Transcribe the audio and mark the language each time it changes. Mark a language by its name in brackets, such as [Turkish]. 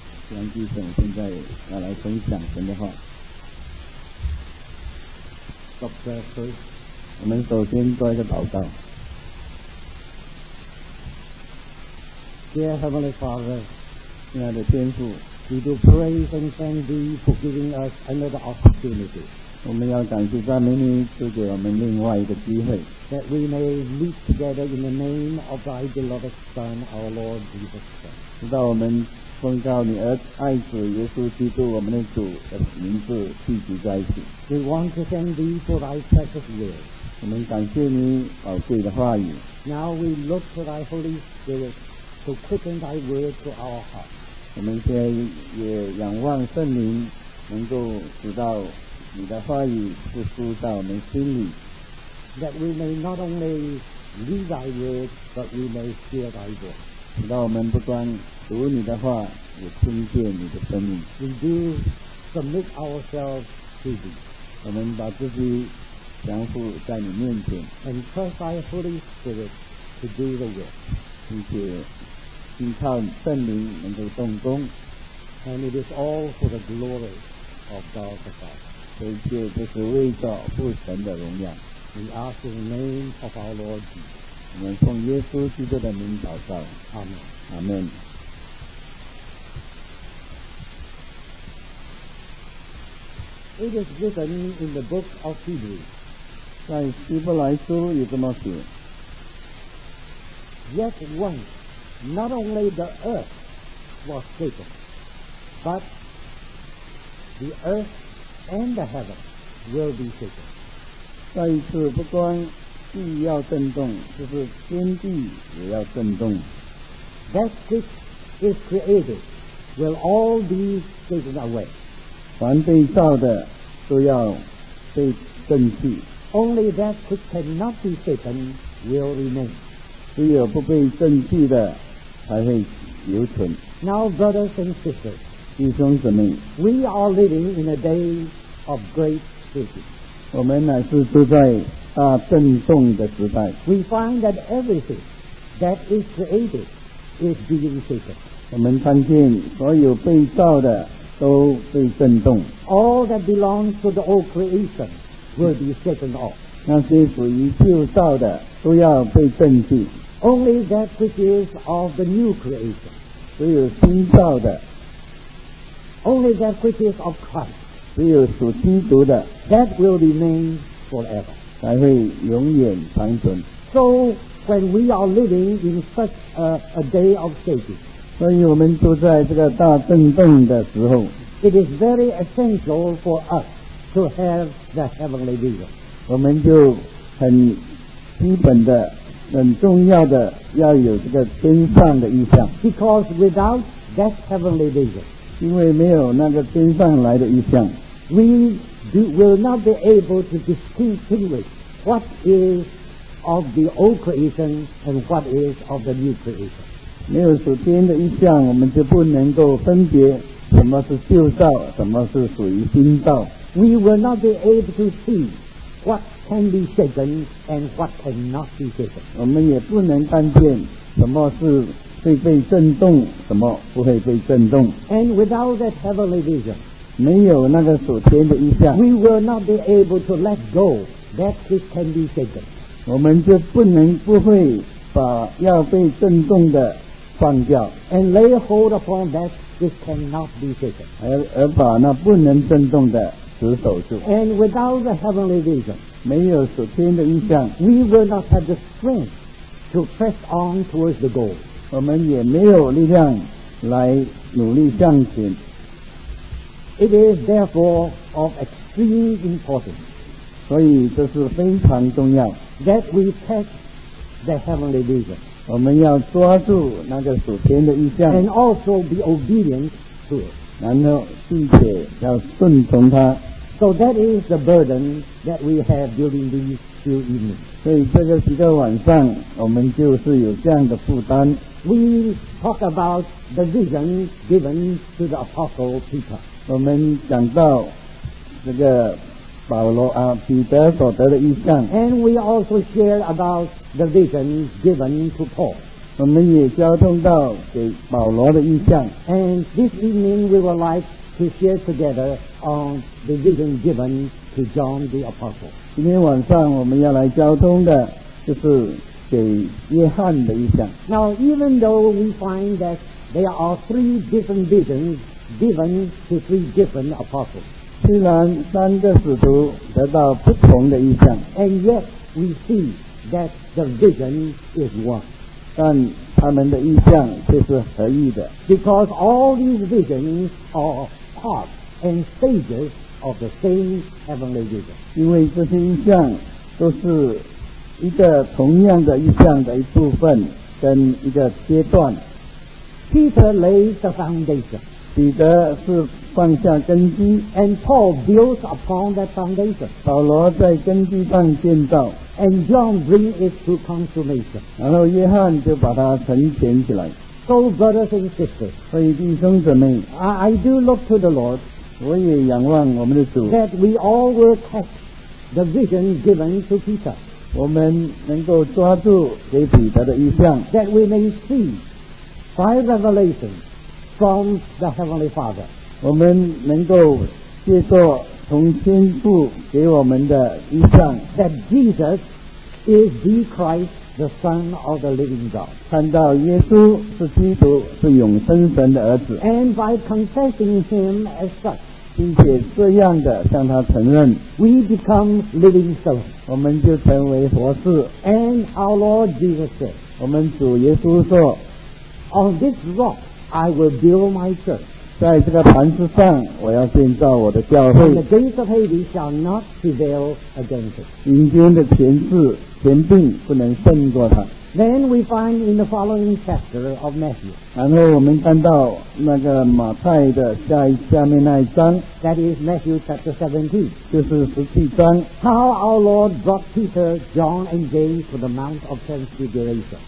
[Chinese] 杨继承现在要来分享神的话。我们首先做一个祷告。 [English] Dear Heavenly Father, [Chinese] 亲爱的天父， [English] we do praise and thank thee for giving us another opportunity. [Chinese] 我们要感谢赞美你，赐给我们另外一个机会。 [English] That we may meet together in the name of thy beloved Son, our Lord Jesus Christ. [Chinese] 直到我们奉告你儿爱子耶稣基督我们的主的名字聚集在一起。 [English] We want to thank thee for thy precious word. [Chinese] 我们感谢你宝贵的话语。 [English] Now we look to thy Holy Spirit to quicken thy word to our heart. [Chinese] 我们现在也仰望圣灵，能够知道你的话语复苏到我们心里。 [English] That we may not only read thy word, but we may hear thy voice. [Chinese] 直到我们不断读你的话，也听见你的声音。 [English] We do submit ourselves to thee. [Chinese] 我们把自己降服在你面前 [English] and trust thy Holy Spirit to do the work [Chinese] 并且信靠圣灵能够动工 [English] and it is all for the glory of God the Father [Chinese] 这一切都是为着父神的荣耀 [English] we ask in the name of our Lord Jesus [Chinese] 我们奉耶稣基督的名祷告 [English] Amen Amen It is written in the book of Hebrews [Chinese] 在希伯来书也这么写 [English] Yet once not only the earth was shaken but the earth and the heaven will be shaken [Chinese] 再一次不光地要震动就是天地也要震动 [English] That which is created will all be shaken away [Chinese] 凡被造的都要被震去 [English] Only that which cannot be shaken will remain. [Chinese] 只有不被震去的才会留存。 [English] Now, brothers and sisters, [Chinese] 弟兄姊妹, [English] we are living in a day of great shaking. [Chinese] 我们乃是住在大震动的时代。 [English] We find that everything that is created is being shaken. [Chinese] 我们看见所有被造的都被震动。 [English] All that belongs to the old creation. Will be shaken off. [Chinese] 那些属于旧造的都要被震去。 [English] Only that which is of the new creation. [Chinese] 只有新造的。 [English] Only that which is of Christ. [Chinese] 只有属基督的。 [English] That will remain forever. [Chinese] 才会永远长存。 [English] So when we are living in such a day of shaking. [Chinese] 所以我们住在这个大震动的时候。 [English] It is very essential for us. To have the heavenly vision. [Chinese] 我们就很基本的很重要的要有这个天上的意象 [English] Because without that heavenly vision. [Chinese] 因为没有那个天上来的意象 [English] We will not be able to distinguish what is of the old creation and what is of the new creation. [Chinese] 没有属天的意象我们就不能够分别什么是旧造什么是属于新造 [English] We will not be able to see what can be shaken and what cannot be shaken. [Chinese] 我们也不能看见什么是会被震动，什么不会被震动。 [English] And without that heavenly vision, [Chinese] 没有那个所天的意象 [English] we will not be able to let go that which can be shaken. [Chinese] 我们就不能不会把要被震动的放掉。 [English] And lay hold upon that which cannot be shaken. [Chinese] 而把那不能震动的 [English] And without the heavenly vision, [Chinese] 没有属天的意象, [English] we will not have the strength to press on towards the goal. [Chinese] 我们也没有力量来努力向前。 [English] It is therefore of extreme importance. [Chinese] 所以这是非常重要。 [English] That we catch the heavenly vision. [Chinese] 我们要抓住那个属天的意象。 [English] And also be obedient to it. [Chinese] 然后并且要顺从他 [English] So that is the burden that we have during these few evenings [Chinese] 所以这个几个晚上我们就是有这样的负担 [English] We talk about the vision given to the Apostle Peter [Chinese] 我们讲到这个保罗啊彼得所得的意象 [English] And we also share about the vision given to Paul [Chinese] 我们也交通到给保罗的意象 [English] And this evening we would like to share together on the vision given to John the Apostle [Chinese] 今天晚上我们要来交通的就是给约翰的意象 [English] Now even though we find that There are three different visions given to three different apostles. [Chinese] 虽然三个使徒得到不同的意象， [English] and yet we see that the vision is one. [Chinese] 但他们的意象却是合一的。 [English] Because all these visions are part and stages of the same heavenly vision. [Chinese] 因为这些意象都是一个同样的意象的一部分跟一个阶段。 [English] Peter lays the foundation. [Chinese] 彼得是放下根基。 [English] And Paul builds upon that foundation. [Chinese] 保罗在根基上建造。 [English] And John brings it to consummation. [Chinese] 然后约翰就把它成全起来。 [English] So brothers and sisters, [Chinese] 所以弟兄姊妹， [English] I do look to the Lord, [Chinese] 我也仰望我们的主， [English] that we all will catch the vision given to Peter. [Chinese] 我们能够抓住给彼得的意象， [English] that we may see by revelation from the Heavenly Father. [Chinese] 我们能够接受从天父给我们的意象， [English] that Jesus is the Christ, the Son of the living God. [Chinese] 看到耶稣是基督，是永生神的儿子。 [English] And by confessing him as such, [Chinese] 并且这样的向他承认， [English] we become living stones. [Chinese] 我们就成为活士。 [English] And our Lord Jesus said, [Chinese] 我们主耶稣说， [English] On this rock I will build my church. [Chinese] 在这个磐石上我要建造我的教会。 [English] And the gates of Hades shall not prevail against it. [Chinese] 阴间的权势权柄不能胜过它。 [English] Then we find in the following chapter of Matthew. [Chinese] 然后我们看到那个马太的下面那一章， [English] That is Matthew chapter 17. [Chinese] 就是十七章。 [English] How our Lord brought Peter, John and James to the Mount of Transfiguration.